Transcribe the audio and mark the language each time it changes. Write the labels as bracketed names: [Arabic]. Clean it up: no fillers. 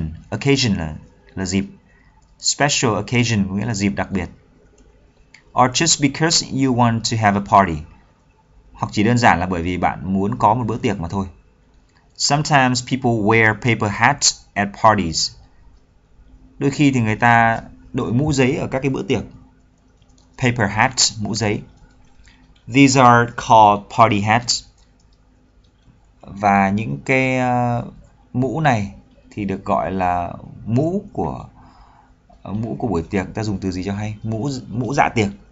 [Vietnamese] Occasion là dịp. Special occasion nghĩa là dịp đặc biệt. [English] Or just because you want to have a party. [Vietnamese] Hoặc chỉ đơn giản là bởi vì bạn muốn có một bữa tiệc mà thôi. [English] Sometimes people wear paper hats at parties. [Vietnamese] Đôi khi thì người ta đội mũ giấy ở các cái bữa tiệc. Paper hats, mũ giấy. [English] These are called party hats. [Vietnamese] Và những cái mũ này thì được gọi là mũ của buổi tiệc. Ta dùng từ gì cho hay? Mũ dạ tiệc.